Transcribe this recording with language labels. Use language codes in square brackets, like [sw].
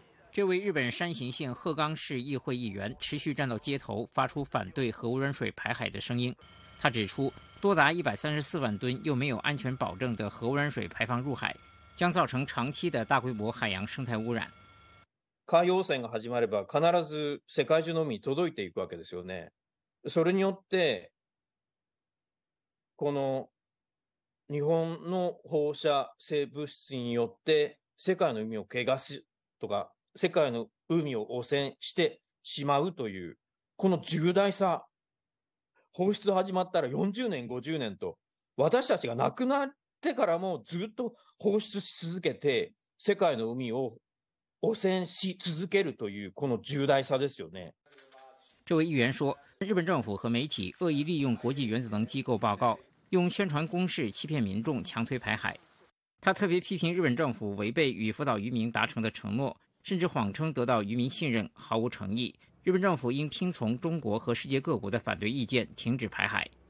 [zh] 这位日本山形县鹤冈市议会议员持续站到街头，发出反对核污染水排海的声音。他指出，多达134万吨又没有安全保证的核污染水排放入海，将造成长期的大规模海洋生态污染。 [ja] 海洋汚染が始まれば、必ず世界中の海に届いていくわけですよね。それによって、この日本の放射性物質によって世界の海を汚すとか。世界の海を汚染してしまうというこの重大さ、放出始まったら40年50年と、私たちが亡くなってからもずっと放出し続けて世界の海を汚染し続けるというこの重大さですよね。 [zh] 这位议员说，日本政府和媒体恶意利用国际原子能机构报告，用宣传攻势欺骗民众，强推排海。他特别批评日本政府违背与福岛渔民达成的承诺，甚至谎称得到渔民信任，毫无诚意。日本政府应听从中国和世界各国的反对意见，停止排海。